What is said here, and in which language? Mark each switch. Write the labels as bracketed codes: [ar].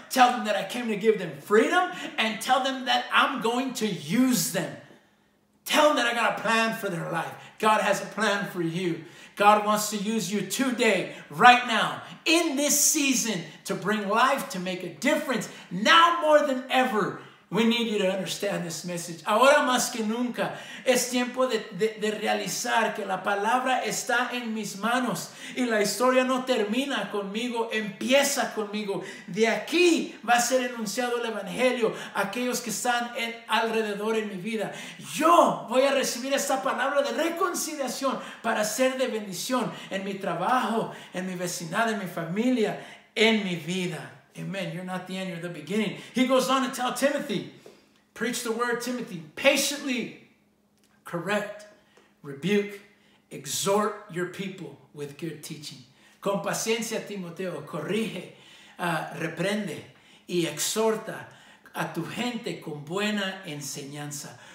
[en] Tell them that I came to give them freedom and tell them that I'm going to use them. Tell them that I got a plan for their life. God has a plan for you. God wants to use you today, right now, in this season, to bring life, to make a difference. Now more than ever, we need you to understand this message. [es] Ahora más que nunca, es tiempo de realizar que la palabra está en mis manos. Y la historia no termina conmigo, empieza conmigo. De aquí va a ser enunciado el evangelio a aquellos que están alrededor en mi vida. Yo voy a recibir esta palabra de reconciliación para ser de bendición en mi trabajo, en mi vecindad, en mi familia, en mi vida. [en] Amen. You're not the end, you're the beginning. He goes on to tell Timothy, preach the word, Timothy, patiently correct, rebuke, exhort your people with good teaching. [es] Con paciencia, Timoteo, corrige, reprende y exhorta a tu gente con buena enseñanza.